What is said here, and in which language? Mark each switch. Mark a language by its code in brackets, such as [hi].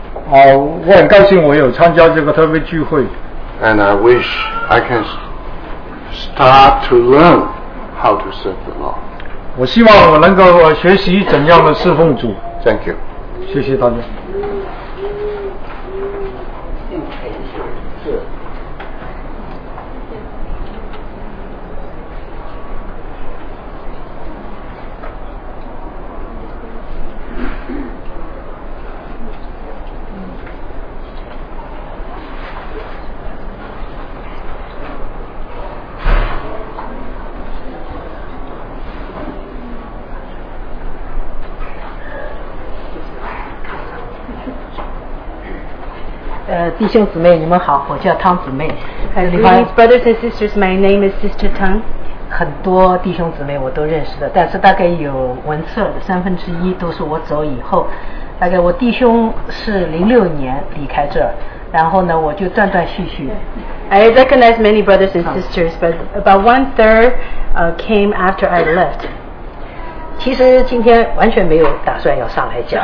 [zh] 啊，我很高兴我有参加这个特别聚会。 [en] And I wish I can start to learn how to serve the Lord. [zh] 我希望我能够学习怎样的侍奉主。 [en] Thank you. [zh] 谢谢大家。弟兄姊妹，你们好，我叫汤姊妹。 [en] Greetings, brothers and sisters. My name is Sister Tang. [zh] 很多弟兄姊妹我都认识的，但是大概有文策三分之一都是我走以后。大概我弟兄是06年离开这，然后呢，我就断断续续。 [en] I recognize many brothers and sisters, but about one third came after I left. [zh] 其实今天完全没有打算要上来讲。